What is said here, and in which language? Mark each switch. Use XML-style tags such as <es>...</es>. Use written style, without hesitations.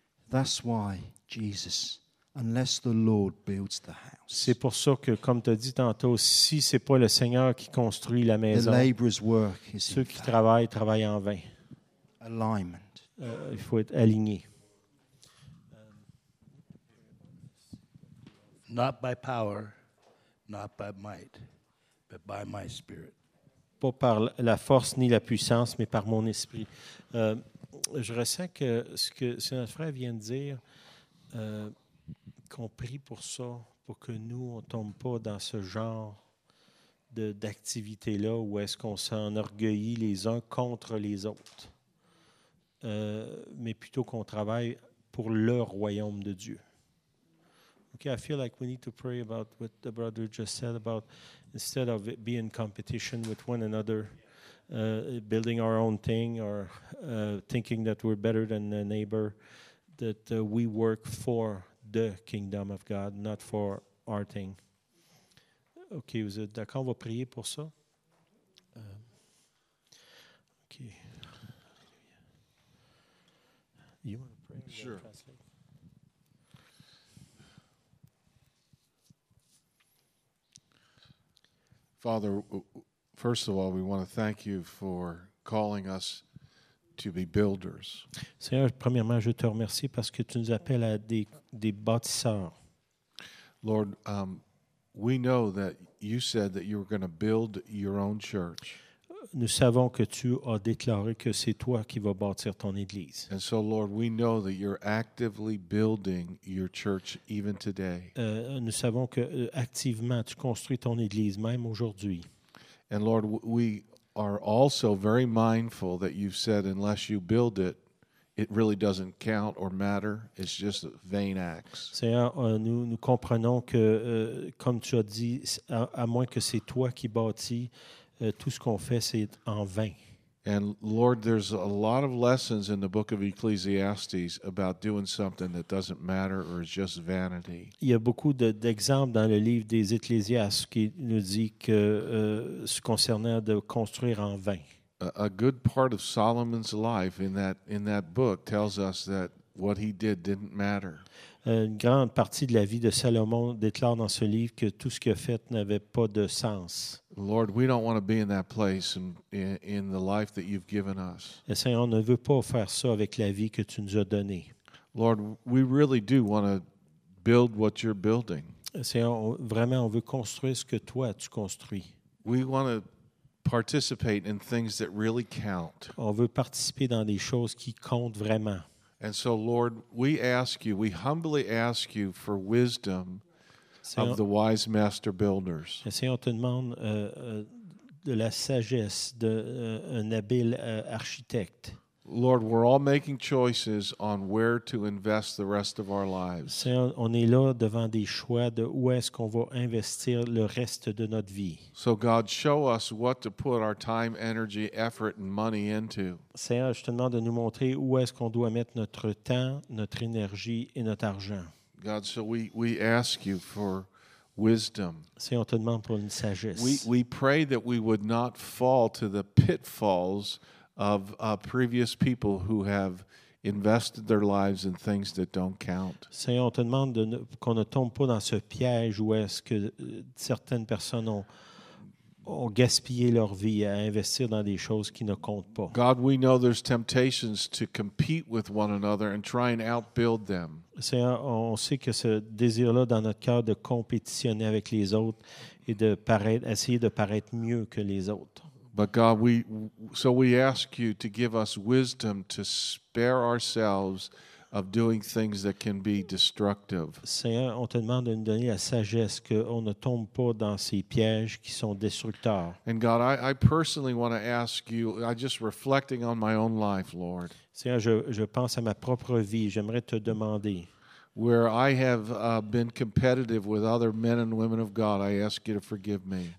<en>That's why Jesus, unless the Lord builds the house.</en> <fr>C'est pour ça que, comme tu as dit tantôt, si ce n'est pas le Seigneur qui construit la maison,</fr> <en>the laborer's work is</en> <fr>ceux qui travaillent, travaillent en vain.</fr> <en>Alignment.</en> <fr>Il faut être aligné.</fr> <en>Not by power, not by might, but by my spirit.</en> <fr>Pas par la force ni la puissance, mais par mon esprit. Je ressens que ce que notre frère vient de dire, qu'on prie pour ça, pour que nous, on ne tombe pas dans ce genre d'activité-là où est-ce qu'on s'enorgueillit les uns contre les autres, mais plutôt qu'on travaille pour le royaume de Dieu.</fr> <en>Okay, I feel like we need to pray about what the brother just said about instead of it being in competition with one another, building our own thing or thinking that we're better than a neighbor, that we work for the kingdom of God, not for our thing.</en> <fr>Okay, vous êtes d'accord? On va prier pour ça?</fr> <en>Okay. You want to pray? Sure. Translate? Father, first of all, we want to thank you for calling us to be builders.</en> <fr>Seigneur, premièrement, je te remercie parce que tu nous appelles à des bâtisseurs.</fr> <en>Lord, we know that you said that you were going to build your own church.</en> <fr>Nous savons que tu as déclaré que c'est toi qui vas bâtir ton église.</fr> <en>And so, Lord, we know that you're actively building your church even today.</en> <fr>Nous savons que activement tu construis ton église même aujourd'hui.</fr> <en>And Lord, we are also very mindful that you've said unless you build it, it really doesn't count or matter. It's just vain acts.</en> <fr>Seigneur, nous comprenons que comme tu as dit, à moins que c'est toi qui bâtis, tout ce qu'on fait, c'est en vain.</fr> <en>And Lord, there's a lot of lessons in the book of Ecclesiastes about doing something that doesn't matter or is just vanity.</en> <fr>Il y a beaucoup d'exemples dans le livre des Ecclésiastes qui nous dit que ce concernant de construire en vain.</fr> <en>A good part of Solomon's life in that book tells us that what he did didn't matter.</en> <fr>Une grande partie de la vie de Salomon déclare dans ce livre que tout ce qu'il a fait n'avait pas de sens.</fr> <en>Lord, we don't want to be in that place in the life that you've given us.</en> <fr>Et Seigneur, on ne veut pas faire ça avec la vie que tu nous as donnée.</fr> <en>Lord, we really do want to build what you're building.</en> <fr>Et Seigneur, vraiment, on veut construire ce que toi tu construis.</fr> <en>We want to participate in things that really count.</en> <fr>On veut participer dans des choses qui comptent vraiment.</fr> <en>And so, Lord, we ask you, we humbly ask you for wisdom of the wise master builders.</en> <fr>Seigneur, on te demande de la sagesse d'un habile architecte.</fr> <en>Lord, we're all making choices on where to invest the rest of our lives.</en> <fr>Seigneur, on est là devant des choix de où est-ce qu'on va investir le reste de notre vie.</fr> <en>So God, show us what to put our time, energy, effort, and money into.</en> <fr>Seigneur, je te demande de nous montrer où est-ce qu'on doit mettre notre temps, notre énergie et notre argent.</fr> <en>God, so we ask you for wisdom.</en> <fr>Seigneur, on te demande pour une sagesse.</fr> <en>We pray that we would not fall to the pitfalls of previous people who have invested their lives in things that don't count.</en> <fr>Seigneur, on te demande qu'on ne tombe pas dans ce piège où est-ce que certaines personnes ont gaspillé leur vie à investir dans des choses qui ne comptent pas.</fr> <en>God, we know there's temptations to compete with one another and try and outbuild them.</en> <fr>Seigneur, on sait que ce désir-là dans notre cœur de compétitionner avec les autres et de paraître, essayer de paraître mieux que les autres.</fr> <en>But God, we ask you to give us wisdom to spare ourselves of doing things that can be destructive.</en> <fr>Seigneur, on te demande de nous donner la sagesse qu'on ne tombe pas dans ces pièges qui sont destructeurs.</fr> <en>And God, I personally want to ask you, I'm just reflecting on my own life, Lord.</en> <fr>Seigneur, je pense à ma propre vie. J'aimerais te demander.</fr> <en>Where I have been competitive with other men and women of God, I ask you to forgive me.</en>